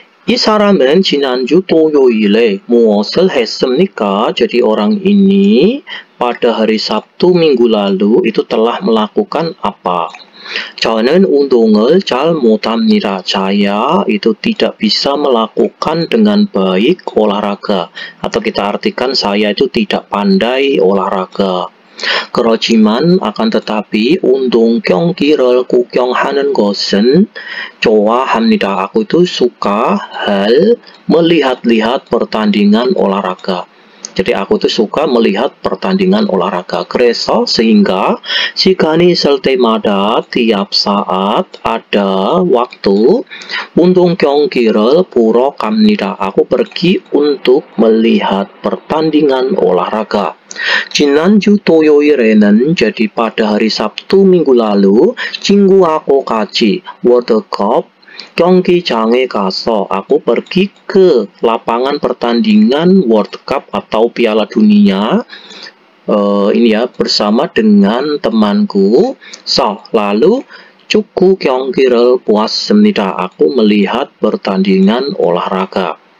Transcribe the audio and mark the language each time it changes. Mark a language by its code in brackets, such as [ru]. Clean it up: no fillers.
[ko] 이 사람은 지난주 토요일에 무엇을 했습니까? [id] Jadi orang ini pada hari Sabtu minggu lalu itu telah melakukan apa? [ko] 저는 운동을 잘 못합니다. [id] Saya itu tidak bisa melakukan dengan baik olahraga. Atau kita artikan saya itu tidak pandai olahraga. [ko] 그렇지만 [id] akan tetapi [ko] 운동 경기를 구경하는 것은 좋아합니다. [id] Aku itu suka hal melihat-lihat pertandingan olahraga. Jadi aku itu suka melihat pertandingan olahraga. [ko] 그래서 [id] sehingga [ko] 시간이 있을 때마다 [id] tiap saat ada waktu [ko] 운동 경기를 보러 갑니다. [id] Aku pergi untuk melihat pertandingan olahraga. [ko] 지난주 토요일에는 [id] jadi pada hari Sabtu minggu lalu [ko] 친구하고 같이 World Cup 경기장에 가서 [id] aku pergi ke lapangan pertandingan World Cup atau Piala Dunia ini ya bersama dengan temanku so lalu [ko] cukku 경기를 보았습니다 [id] aku melihat pertandingan olahraga.